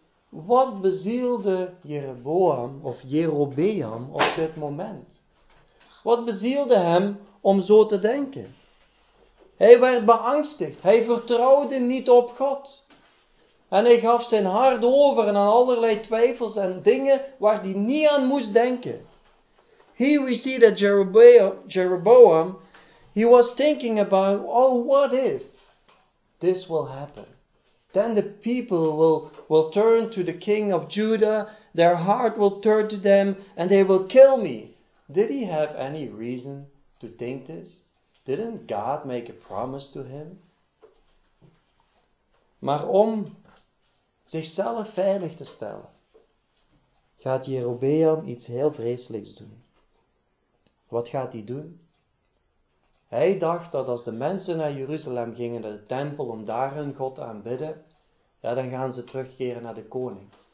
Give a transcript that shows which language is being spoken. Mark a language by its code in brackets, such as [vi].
[nl] Wat bezielde Jeroboam of Jerobeam op dit moment? Wat bezielde hem om zo te denken? Hij werd beangstigd. Hij vertrouwde niet op God. En hij gaf zijn hart over aan allerlei twijfels en dingen waar hij niet aan moest denken. [en] Here we see that Jeroboam, he was thinking about, oh, what if this will happen? Then the people will turn to the king of Judah, their heart will turn to them, and they will kill me. Did he have any reason to think this? Didn't God make a promise to him? [nl] Maar om zichzelf veilig te stellen, gaat Jeroboam iets heel vreselijks doen. Wat gaat hij doen? Hij dacht dat als de mensen naar Jeruzalem gingen, naar de tempel, om daar hun God te aanbidden, ja, dan gaan ze terugkeren naar de koning.